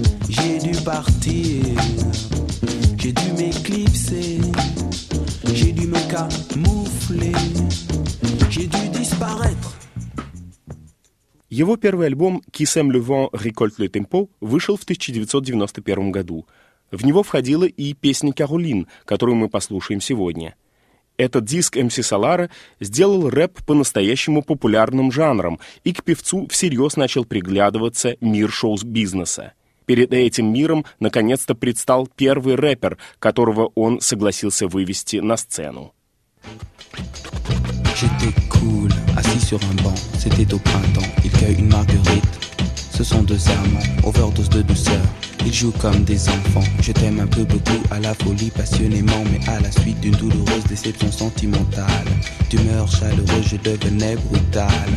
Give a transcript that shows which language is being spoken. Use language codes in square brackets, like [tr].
[fr] J'ai dû partir, j'ai dû m'éclipser, j'ai dû me camoufler, j'ai dû disparaître. [ru] Его первый альбом «Qui s'aime le vent récolte le tempo» вышел в 1991 году. В него входила и песня «Каролин», которую мы послушаем сегодня. Этот диск MC Solar сделал рэп по-настоящему популярным жанром, и к певцу всерьез начал приглядываться мир шоу-бизнеса. Перед этим миром наконец-то предстал первый рэпер, которого он согласился вывести на сцену. [fr] J'étais cool, assis sur un banc, c'était au printemps. Il cueille une marguerite, ce sont deux amants, overdose de douceur. Ils jouent comme des enfants, je t'aime un peu beaucoup, à la folie passionnément. Mais à la suite d'une douloureuse déception sentimentale, d'humeur chaleureuse, je devenais brutal.